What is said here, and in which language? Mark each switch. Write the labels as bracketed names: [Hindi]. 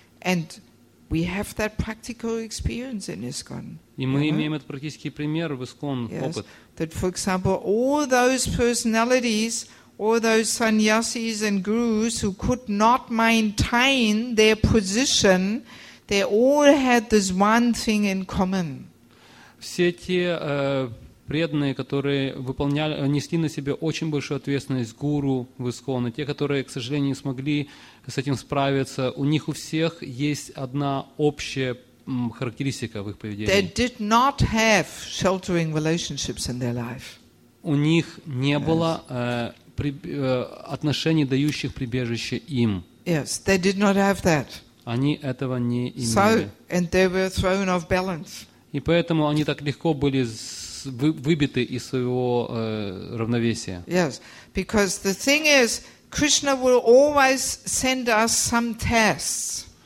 [English] And we have that practical experience in ISKCON. [Russian] И мы имеем этот практический пример в ISKCON, опыт. [English] That, for example, all those personalities all those sannyasis and gurus who could not maintain their position, they all had this one thing in common. [Russian] Все те преданные, которые выполняли, несли на себе очень большую ответственность гуру в Искон, и те, которые, к сожалению, не смогли с этим справиться, у них у всех есть одна общая характеристика в их поведении. [English] They did not have sheltering relationships in their life. [Russian] У них не было отношений, дающих прибежище им. [English] Yes, they did not have that. [Russian] Они этого не имели. [English] So, and they were thrown off balance. [Russian] И поэтому они так легко были выбиты из своего равновесия. [English] Yes, because the thing is, Krishna will always send us some tests.